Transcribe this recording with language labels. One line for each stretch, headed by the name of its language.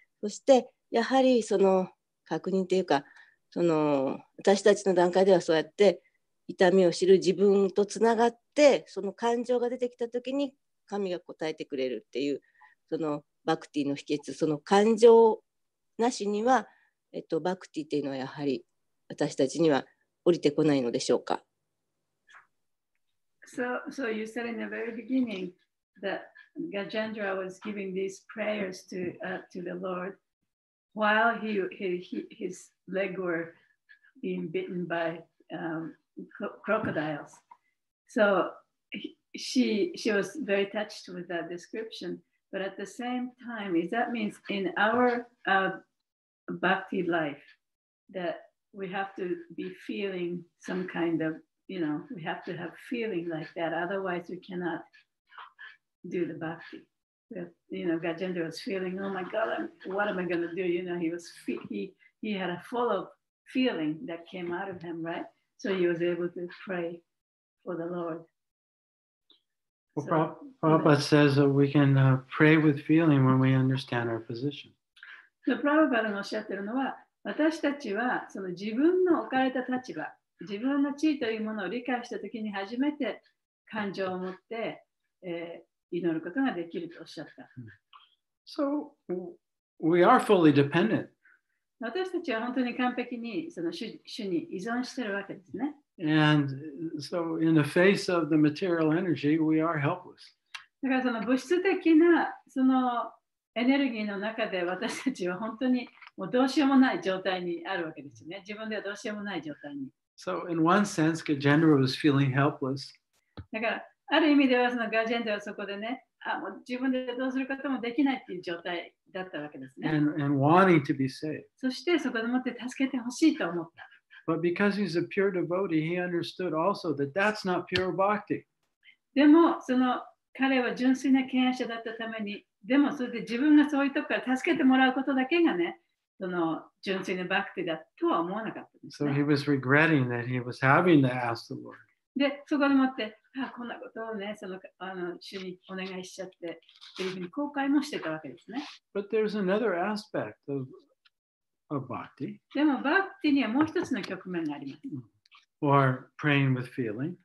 Japanese: そしてやはりその確認というか、その私たちの段階ではそうやって痛みを知る自分とつながって、その感情が出てきた時に神が答えてくれるっていう、そのバクティの秘訣、その感情なしにはバクティっていうのはやはり私たちには降りてこないのでしょうか。
English: So you said in the very beginning that Gajendra was giving these prayers to the Lord while his leg were being bitten by crocodiles. So she was very touched with that description. But at the same time, is that means in our bhakti life that we have to be feeling some kind of, you know, we have to have feeling like that. Otherwise, we cannot do the bhakti. You know, Gajendra was feeling, oh my God, what am I going to do? You know, he had a full of feeling that came out of him, right? So he was able to pray for the Lord. Well, Prabhupada says that we can pray with feeling when we understand our position.
Japanese: So Prabhupada のおっしゃってるのは、私たちはその自分の置かれた立場、自分の地位というものを理解したときに初めて感情を持って、祈ることができるとおっしゃった。
English: So we are fully dependent.
Japanese: 私たちは本当に完璧にその主に依存しているわけですね。
English: And so in the face of the material energy, we are helpless.
Japanese: だからその物質的なそのエネルギーの中で私たちは本当にもうどうしようもない状態にあるわけですね。自分ではどうしようもない状態に。
English: So in one sense, Gajendra was feeling helpless.
Japanese: だからある意味ではそのガジェンドラはそこでね、もう自分でどうすることもできないっていう状態。だったわけですね。
English: And wanting to be saved.
Japanese: そしてそこでもって助けてほしいと思った。
English: But because he's a pure devotee, he understood also that that's not pure bhakti.
Japanese: でもその彼は純粋な権威者だったために、でもそれで自分がそういうとこから助けてもらうことだけがね、
English: So he was regretting that he was having to ask the Lord.
Japanese: で、そこでもって、あ、こんなことをね、その、あの、主にお願いしちゃって、というふうに後悔もしてたわけですね。
English: But there's another aspect of bhakti.
Japanese: でも、バクティにはもう一つの局面があります。
English: Or praying with feeling.